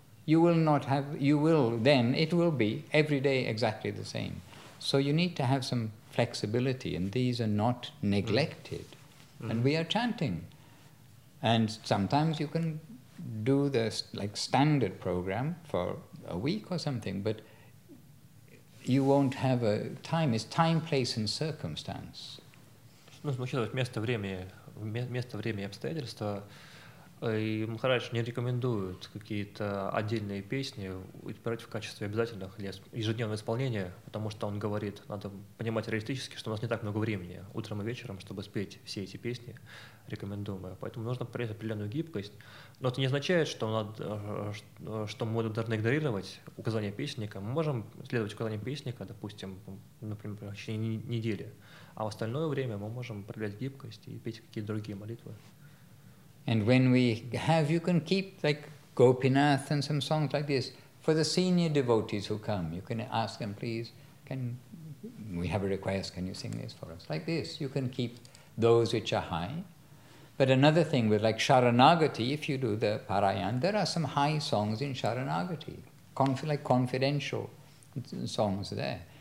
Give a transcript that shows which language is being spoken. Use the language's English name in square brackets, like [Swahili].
[English] It will be every day exactly the same. So you need to have some flexibility, and these are not neglected. and we are chanting. And sometimes you can do the like standard program for a week or something, but you won't have a time. It's time, place, and circumstance. [Russian] Ну, смущалось место, время, место, время и обстоятельства. И Махарадж не рекомендует какие-то отдельные песни брать в качестве обязательных ежедневного исполнения, потому что он говорит, надо понимать реалистически, что у нас не так много времени утром и вечером, чтобы спеть все эти песни рекомендуемые. Поэтому нужно проявить определенную гибкость. Но это не означает, что, надо, что мы должны игнорировать указания песенника. Мы можем следовать указаниям песенника, допустим, например, в течение недели, а в остальное время мы можем проявлять гибкость и петь какие-то другие молитвы. [English] And when we have, you can keep like Gopinath and some songs like this for the senior devotees who come. You can ask them, please, can we have a request? Can you sing this for us? Like this, you can keep those which are high. But another thing with like Sharanagati, if you do the Parayan, there are some high songs in Sharanagati, like confidential songs there.